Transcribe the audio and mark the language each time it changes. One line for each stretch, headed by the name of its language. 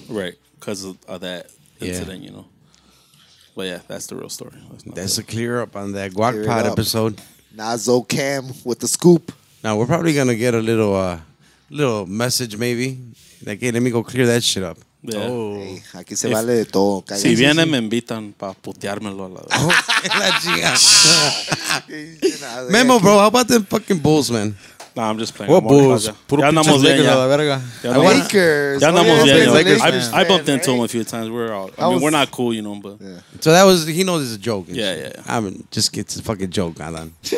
English: Right, because of that incident, you know. But yeah, that's the real story. That's a clear up on that Guac Pod episode. Nazo Cam with the scoop. Now, we're probably going to get a little message maybe. Like, hey, let me go clear that shit up. Yeah.
Spanish: Oh. Hey, aquí se vale de todo. Calle si vienen, me invitan para puteármelo a la vez. La chica.
English: Memo, bro, how about them fucking Bulls, man? Nah, I'm just playing. What Bulls?
Spanish: Puro pinches Lakers a la verga.
English: Lakers.
Spanish: Ya andamos bien.
English: I bumped into him a few times. We're not cool, you know. But yeah. So that was, he knows it's a joke. Yeah. I mean, just it's a fucking joke, Alan.